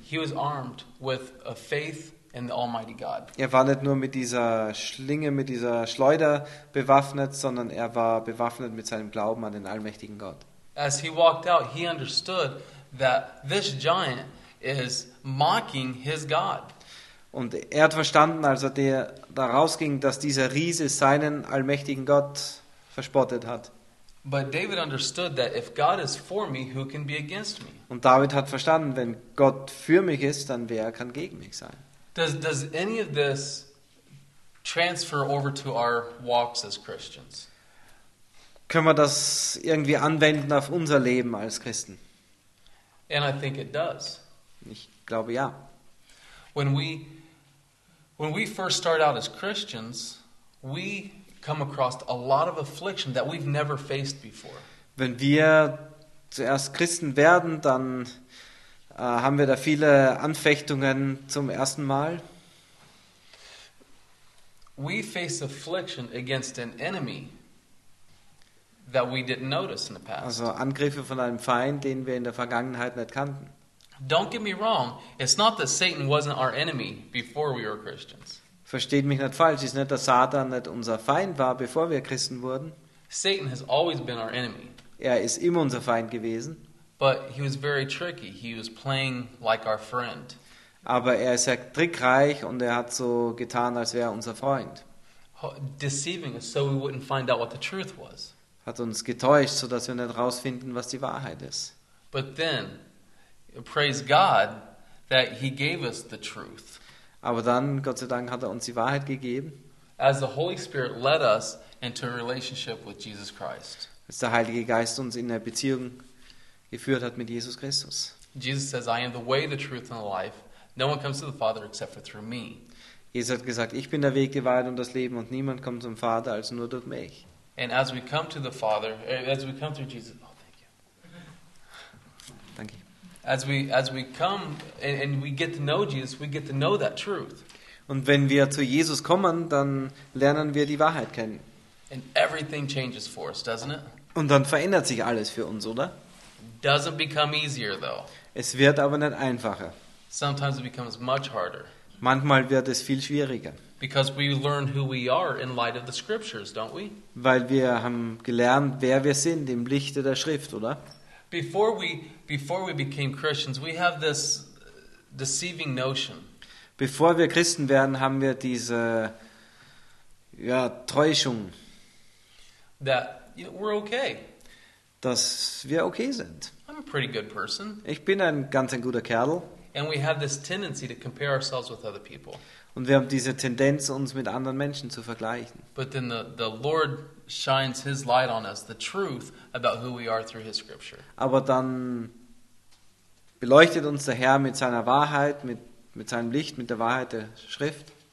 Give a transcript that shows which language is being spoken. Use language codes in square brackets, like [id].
[en] He was armed with a faith in the Almighty God. [de] Er war nicht nur mit dieser Schlinge, mit dieser Schleuder bewaffnet, sondern er war bewaffnet mit seinem Glauben an den allmächtigen Gott. [en] As he walked out, he understood that this giant is mocking his God. [de] Und hat verstanden, als er da rausging, dass dieser Riese seinen allmächtigen Gott verspottet hat. [en] But David understood that if God is for me, who can be against me? [de] Und David hat verstanden, wenn Gott für mich ist, dann wer kann gegen mich sein? [en] Does any of this transfer over to our walks as Christians? [de] Können wir das irgendwie anwenden auf unser Leben als Christen? [en] And I think it does. [de] Ich glaube ja. [en] When we first start out as Christians, we come across a lot of affliction that we've never faced before. [de] Wenn wir zuerst Christen werden, dann haben wir da viele Anfechtungen zum ersten Mal. [en] We face affliction against an enemy that we didn't notice in the past. [de] Also Angriffe von einem Feind, den wir in der Vergangenheit nicht kannten. [en] Don't get me wrong, it's not that Satan wasn't our enemy before we were Christians. [de] Versteht mich nicht falsch, es ist nicht, dass Satan nicht unser Feind war, bevor wir Christen wurden. [en] Satan has always been our enemy. [de] Er ist immer unser Feind gewesen. [en] But he was very tricky. He was playing like our friend. [de] Aber er ist ja trickreich und er hat so getan, als wäre er unser Freund. [en] deceiving us so we wouldn't find out what the truth was. [de] Hat uns getäuscht, so dass wir nicht rausfinden, was die Wahrheit ist. [en] But then, praise God that he gave us the truth. [de] Aber dann, Gott sei Dank, hat er uns die Wahrheit gegeben. [en] As the Holy Spirit led us into a relationship with Jesus Christ. [de] Als der Heilige Geist uns in eine Beziehung geführt hat mit Jesus Christus. [en] Jesus says, I am the way, the truth and the life. No one comes to the Father except for through me. [de] Jesus hat gesagt, ich bin der Weg, die Wahrheit und das Leben und niemand kommt zum Vater als nur durch mich. [en] And as we come to the Father, as we come through Jesus, oh, thank you. Thank you. As we come and we get to know Jesus, we get to know that truth. [de] Und wenn wir zu Jesus kommen, dann lernen wir die Wahrheit kennen. [en] And everything changes for us, doesn't it? [de] Und dann verändert sich alles für uns, oder? [en] Doesn't become easier though. [de] Es wird aber nicht einfacher. [en] Sometimes it becomes much harder. [de] Manchmal wird es viel schwieriger. [en] Because we learn who we are in light of the scriptures, don't we? [de] Weil wir haben gelernt, wer wir sind im Lichte der Schrift, oder? [en] Before we became Christians, we have this deceiving notion. [de] Bevor wir Christen werden, haben wir diese Täuschung. [en] That we're okay. [de] Dass wir okay sind. [en] I'm a pretty good person. [de] Ich bin ein ganz ein guter Kerl. [en] And we have this tendency to compare ourselves with other people. [de] Und wir haben diese Tendenz, uns mit anderen Menschen zu vergleichen. [en] But then the Lord shines his light on us, the truth about who we are through his scripture. [de] Aber dann beleuchtet uns der Herr mit seiner Wahrheit, mit seinem Licht, mit der Wahrheit der Schrift.